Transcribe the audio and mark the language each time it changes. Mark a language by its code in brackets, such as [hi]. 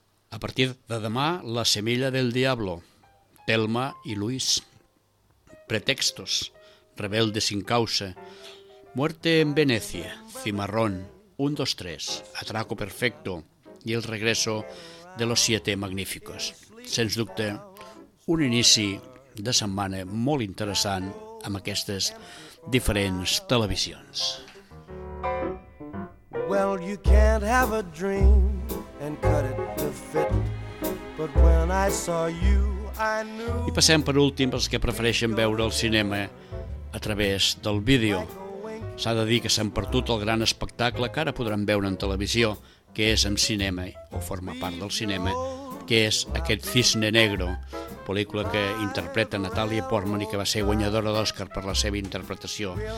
[ca] A partir de demà, La Semilla del Diablo, Telma i Luis, Pretextos, Rebelde sin causa, Muerte en Venecia, Cimarrón, 1, 2, 3, Atraco perfecto i El regreso de los Siete Magníficos. Sens dubte, un inici de setmana molt interessant amb aquestes diferents televisions. [en] Well, you can't have a dream and cut it to fit, but when I saw you, I knew... [ca] I passem per últim als que prefereixen veure el cinema a través del vídeo. S'ha de dir que s'han perdut el gran espectacle que ara podran veure en televisió, que és en cinema, o forma part del cinema, que és aquest Cisne Negro, pel·lícula que interpreta Natalia Portman i que va ser guanyadora d'Òscar per la seva interpretació.